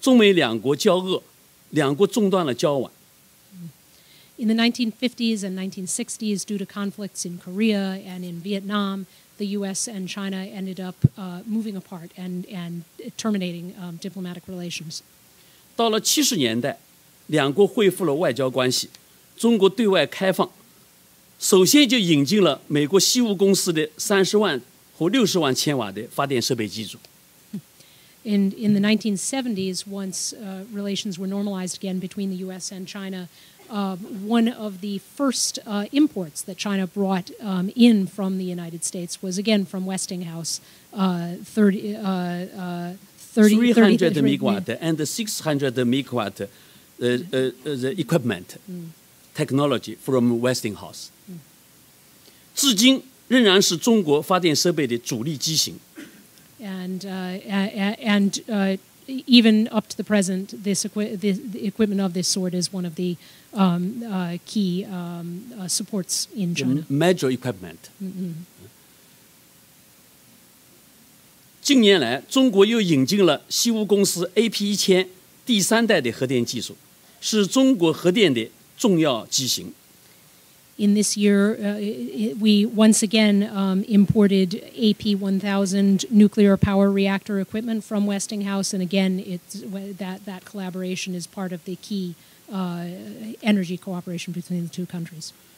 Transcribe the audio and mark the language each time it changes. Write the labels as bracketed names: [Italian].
[Chinese] 在50年代和60年代，因为朝鲜战争、越南战争，中美两国交恶，两国中断了交往。 [English] In the 1950s and 1960s, due to conflicts in Korea and in Vietnam, the U.S. and China ended up moving apart and terminating diplomatic relations. [Chinese] 到了70年代，两国恢复了外交关系，中国对外开放，首先就引进了美国西屋公司的30万或60万千瓦的发电设备机组。 [English] In the 1970s, once relations were normalized again between the U.S. and China, one of the first imports that China brought in from the United States was, again, from Westinghouse, 300 megawatt and 600 megawatt the equipment, technology from Westinghouse. [Chinese] 至今仍然是中国发电设备的主力机型。 [English] And even up to the present, the equipment of this sort is one of the key supports in China. The major equipment. [Chinese] 近年来，中国又引进了西屋公司AP1000第三代的核电技术，是中国核电的重要机型。 [English] In this year, we once again imported AP1000 nuclear power reactor equipment from Westinghouse, and again, that collaboration is part of the key energy cooperation between the two countries.